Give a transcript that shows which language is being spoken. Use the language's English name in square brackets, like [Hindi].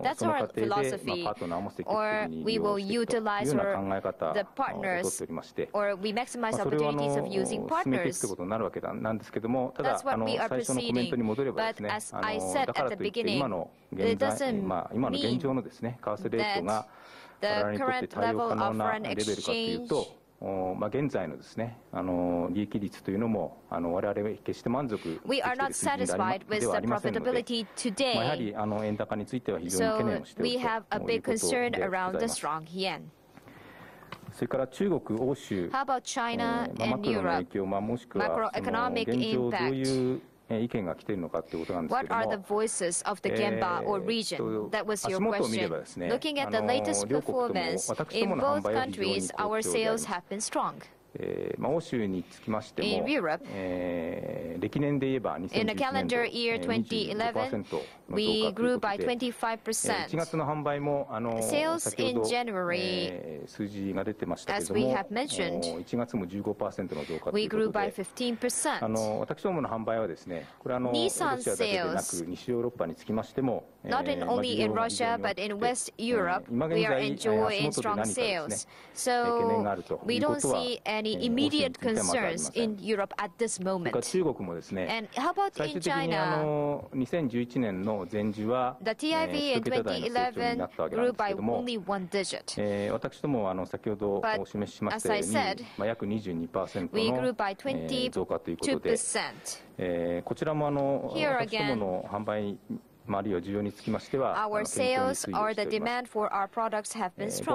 [English] That's our philosophy. Or we will utilize our, the partners, or we maximize opportunities of using partners. That's what we are proceeding. But as I said at the beginning, It doesn't mean that the current level of foreign exchange. [Japanese] まあ、現在のですね、利益率というのも我々は決して満足できているではありませんので、まあ、やはり円高については非常に懸念をしているということでございます。それから中国、欧州、まあ、マクロの影響、まあ、もしくはその現状どういう意見が来ているのかということなんですけれども、 [English] What are the voices of the Gemba or region? That was your question. Looking at the latest performance in both countries, our sales have been strong. [Japanese] まあ、欧州につきましても、 [English] In Europe, [Japanese] 歴年で言えば2011年度 25% [English] we grew by 25%. [Japanese] 1月の販売も [English] sales in January, [Japanese] 数字が出てましたけれども、1月も 15% の増加ということで、 [English] we grew by 15%. [Japanese] 私どもの販売はですね、これはロシアだけでなく西ヨーロッパにつきましても、 [English] not only in Russia but in West Europe, we are enjoying strong sales. So we don't see any immediate concerns in Europe at this moment. [Japanese] それから中国もですね、 [English] and how about in China? [Japanese] 2011年の前十は、 [English] the TIV in 2011 grew by only one digit. [Japanese] 私ども先ほどお示ししましたように、まあ、約 22% の、増加ということで、こちらも私どもの販売まあ、あるいは需要につきましては、 [English] our sales or the demand for our products have been strong.